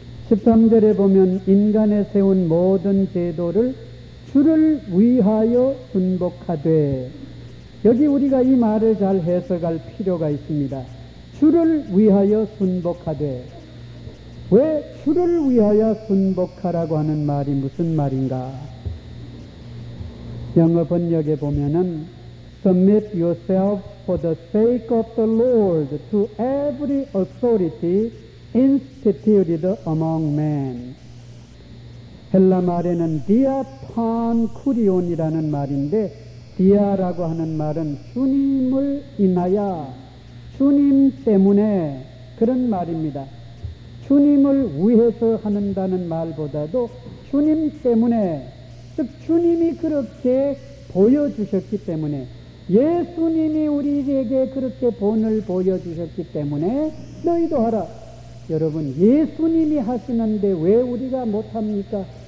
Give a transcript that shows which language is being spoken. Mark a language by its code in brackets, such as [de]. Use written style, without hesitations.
[ko] 13절에 보면 인간에 세운 모든 제도를 주를 위하여 순복하되, 여기 우리가 이 말을 잘 해석할 필요가 있습니다. 주를 위하여 순복하되, 왜 주를 위하여 순복하라고 하는 말이 무슨 말인가? 영어 번역에 보면은 [en] Submit yourself for the sake of the Lord to every authority instituted among men. [ko] 헬라 말에는 diapon kurion이라는 말인데, dia라고 하는 말은 주님을 인하여, 주님 때문에, 그런 말입니다. 주님을 위해서 한다는 말보다도 주님 때문에, 즉 주님이 그렇게 보여주셨기 때문에, 예수님이 우리에게 그렇게 본을 보여주셨기 때문에 너희도 하라. 여러분, 예수님이 하시는데 왜 우리가 못합니까?